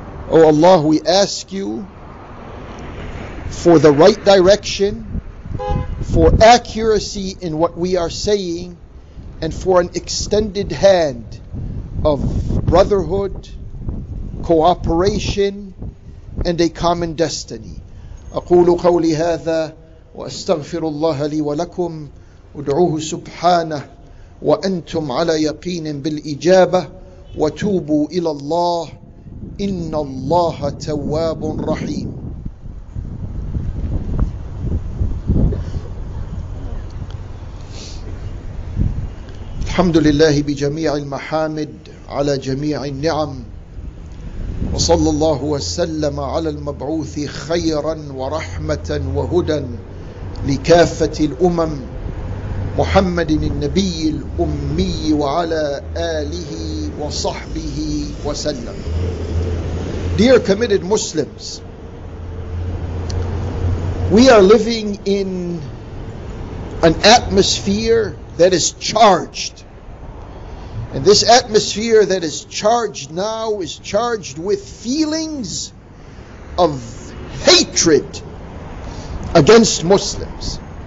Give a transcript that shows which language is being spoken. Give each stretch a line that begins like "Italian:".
English: Oh Allah, we ask you for the right direction, for accuracy in what we are saying, and for an extended hand of brotherhood, cooperation, and a common destiny.
Arabic: أقول قولي هذا وأستغفر الله لي ولكم ودعوه سبحانه وأنتم على يقين بالإجابة وتوبوا إلى الله إن الله تواب رحيم. الحمد لله بجميع المحامد على جميع النعم، وصلى الله وسلم على المبعوث خيرا ورحمة وهدى لكافة الأمم محمد النبي الأمي وعلى آله وصحبه وسلم.
English: Dear committed Muslims, we are living in an atmosphere that is charged. And this atmosphere that is charged now is charged with feelings of hatred against Muslims.